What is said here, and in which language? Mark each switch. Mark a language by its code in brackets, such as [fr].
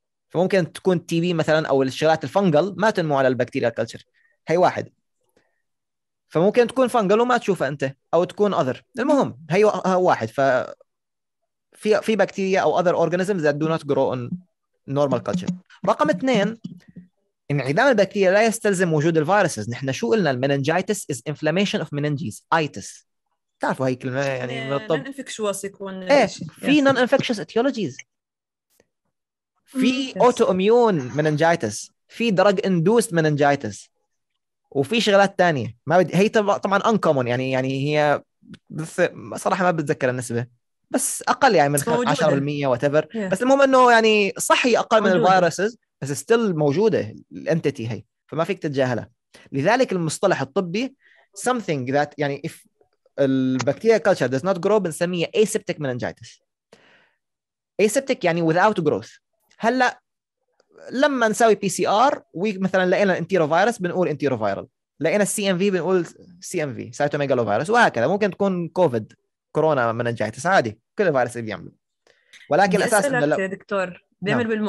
[ar] فممكن تكون تي بي مثلا او الشغلات الفنجل ما تنمو على البكتيريا الكلتشر، هي واحد. فممكن تكون فنجل وما تشوفها انت او تكون اذر، المهم هي واحد. ف في بكتيريا او [en] other organisms that do not grow in normal culture. [ar] رقم اثنين، انعدام البكتيريا لا يستلزم وجود الفيروسز. نحن شو قلنا؟ [en] المننجيتس is inflammation of meninges, itis. [ar] تعرفوا هاي كلمة يعني من الطب. non-infectious يكون في [en] non-infectious etiologies، [ar] في autoimmune meningitis، في drug-induced meningitis، وفي شغلات تانية ما بدي. هي طبعا uncommon يعني هي صراحة ما بتذكر النسبة، بس اقل يعني من 10% واتيفر. بس المهم انه يعني صحي اقل موجودة من الفيروسز، بس ستيل موجوده الانتيتي هي، فما فيك تتجاهلها. لذلك المصطلح الطبي [en] something that [ar] يعني if البكتيريا كلتشر [en] does not grow [ar] بنسميه aseptic meningitis. [en] aseptic يعني without growth. [ar] هلا لما نسوي بي سي ار ومثلا لقينا انتيروفيروس بنقول انتيروفيرال، لقينا السي ام في بنقول سي ام في سايتوميجالوفيروس، وهكذا. ممكن تكون كوفيد كورونا مننجيتس عادي، كل الفيروس اللي بيعمل. ولكن الاساس انه لا دكتور بيعمل نعم.